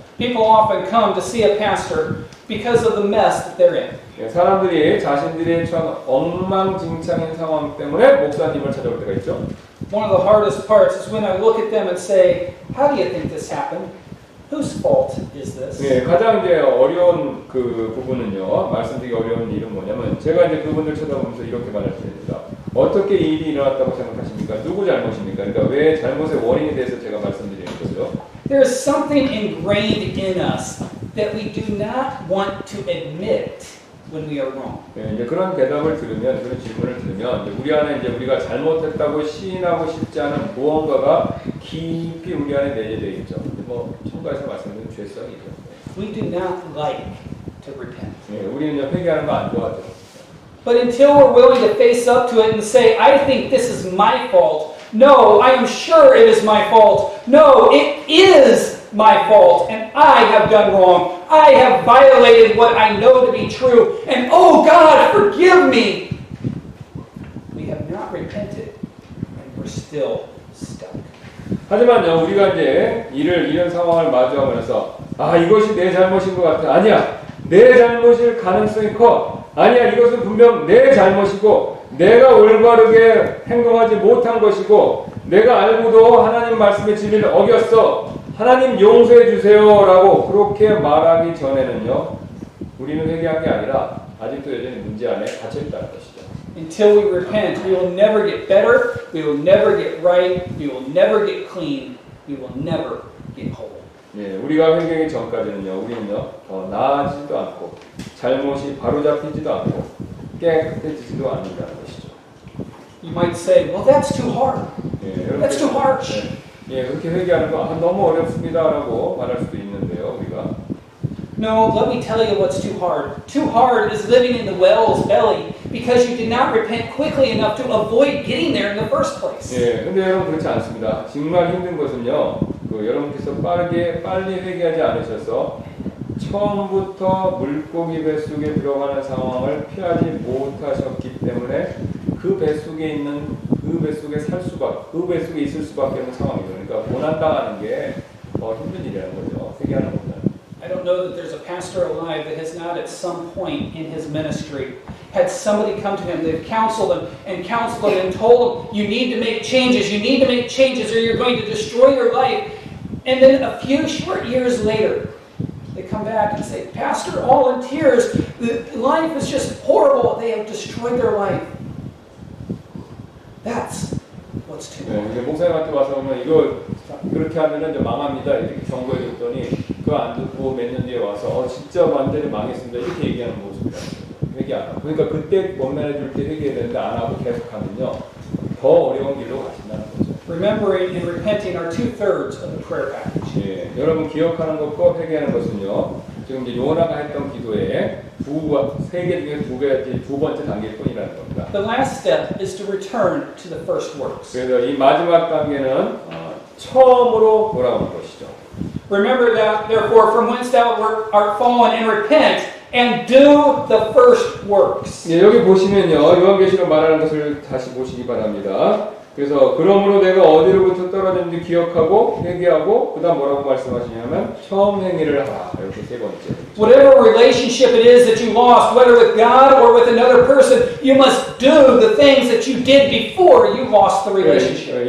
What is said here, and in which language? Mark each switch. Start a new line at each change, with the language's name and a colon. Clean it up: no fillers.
English: People often come to see a pastor because of the mess that they're in.
Korean: 사람들이 자신들이 처한 엉망진창인 상황 때문에 목사님을 찾아올 때가 있죠.
English: One of the hardest parts is when I look at them and say, How do you think this happened? Whose fault is this?
Korean: 예, 가장 이제 어려운 그 부분은요. 말씀드리기 어려운 일은 뭐냐면 제가 이제 그분들 쳐다보면서 이렇게 말할 수 있습니다. 어떻게 일이 일어났다고 생각하십니까? 누구 잘못입니까? 그러니까 왜 잘못의 원인에 대해서 제가 말씀드리는 거죠.
English: There is something ingrained in us that we do not want to admit. When we are wrong.
Korean: 예, 이제 그런 대답을 들으면 그런 질문을 들으면 이제 우리 안에 이제 우리가 잘못했다고 시인하고 싶지 않은 무언가가 깊이 우리 안에 내재되어 있죠. 뭐 첨가해서 말씀드린 죄성이죠.
English: We do not like to repent.
Korean: 예, 우리는 회개하는 거 안 좋아하죠.
English: But until we're willing to face up to it and say, I think this is my fault. No, I am sure it is my fault. No, it is my fault, and I have done wrong. I have violated what I know to be true, and oh God, forgive me. We have not repented, and we're still stuck.
Korean: 하지만요, 우리가 이제 이런 상황을 마주하면서 아 이것이 내 잘못인 것 같아. 아니야, 내 잘못일 가능성이 커. 아니야, 이것은 분명 내 잘못이고 내가 올바르게 행동하지 못한 것이고 내가 알고도 하나님 말씀의 진리를 어겼어. 하나님 용서해 주세요 라고 그렇게 말하기 전에는요, 우리는 회개한 게 아니라 아직도 여전히 문제 안에 갇혀 있다는 것이죠.
English: Until we repent, we will never get better, we will never get right, we will never get clean, we will never get whole.
Korean: 예, 우리가 회개하기 전까지는요, 우리는요, 더 나아지지도 않고 잘못이 바로잡히지도 않고 깨끗해지지도 않는다는 것이죠.
English: You might say, well, that's too hard.
Korean: 예, 이렇게,
English: that's too harsh.
Korean: 예, 그렇게 회개하는 거 아, 너무 어렵습니다 라고 말할 수도 있는데요, 우리가.
English: No, let me tell you what's too hard. Too hard is living in the whale's belly because you did not repent quickly enough to avoid getting there in the first place.
Korean: 예, 근데 여러분 그렇지 않습니다. 정말 힘든 것은요, 그 여러분께서 빠르게 빨리 회개하지 않으셔서 처음부터 물고기 뱃속에 들어가는 상황을 피하지 못하셨기 때문에 그 뱃속에 있는 그 뱃속에 살 수밖에 그 뱃속에 있을 수밖에 없는 상황이죠. 그러니까 고난당하는 게 더 힘든 일이라는 거죠. 회개하는 겁니다.
English: I don't know that there's a pastor alive that has not at some point in his ministry had somebody come to him, they've counseled him and told him, you need to make changes or you're going to destroy your life. And then a few short years later, they come back and say, Pastor, all in tears, life is just horrible, they have destroyed their life. That's what's too hard.
Korean: 네, 목사님한테 와서 보면 이거 그렇게 하면 이제 망합니다 이렇게 경고해 줬더니 그 안 듣고 몇 년 뒤에 와서 진짜 완전히 망했습니다 이렇게 얘기하는 모습이라 회개 안 하고 그러니까 그때 원면해 줄 때 회개해야 되는데 안 하고 계속하면요 더 어려운 길로 가신다는 거죠.
English: Remembering and repenting are two-thirds of the prayer package.
Korean: 예, 여러분 기억하는 것과 회개하는 것은요 지금 이제 요나가 했던 기도에 세 개 중에 두 개의 두 번째 단계일 뿐이라는 겁니다.
English: The last step is to return to the first works.
Korean: 그래서 이 마지막 단계는 처음으로 돌아온 것이죠.
English: Remember that, therefore, from whence thou art fallen, and repent, and do the first works.
Korean: 예, 여기 보시면요, 요한계시록 말하는 것을 다시 보시기 바랍니다. 그래서 그러므로 내가 어디로부터 떨어졌는지 기억하고 회개하고 그다음 뭐라고 말씀하시냐면 처음 행위를 하라 이렇게 세 번째.
English: Whatever relationship it is that you lost, whether with God or with another person, you must do the things that you did before you lost the relationship.